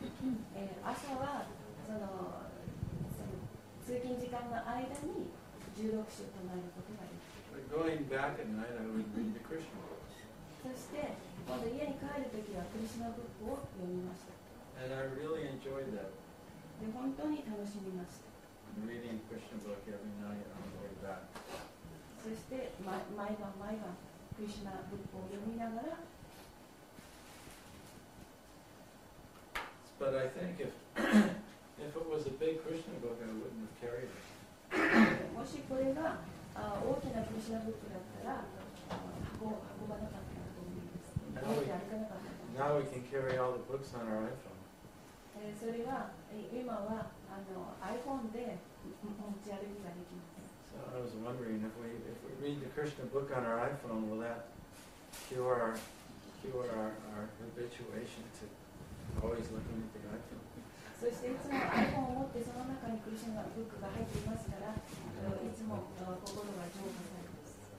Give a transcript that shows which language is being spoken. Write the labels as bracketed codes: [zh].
[ja] 朝はその通勤時間の間に16週唱えることができる。そして今度家に帰るときはクリシュナブックを読みました。 [en] And I really enjoyed that. [ja] で本当に楽しみました。 [en] Reading Krishna book every night on the way back. [ja] そして毎晩毎晩クリシュナブックを読みながら。 [en] But I think if if it was a big Krishna book, I wouldn't have carried it. [ja] もしこれが大きなクリシュナブックだったら、運ばなかったと思います。 [en] Now we can carry all the books on our iPhone. [ja] それは今はiPhone で持ち歩きができます。 [en] So I was wondering if we read the Krishna book on our iPhone, will that cure our habituation to always looking at the iPhone? [ja] そしていつも iPhone を持ってその中にクリシュナブックが入っていますから、いつも心が浄化されます。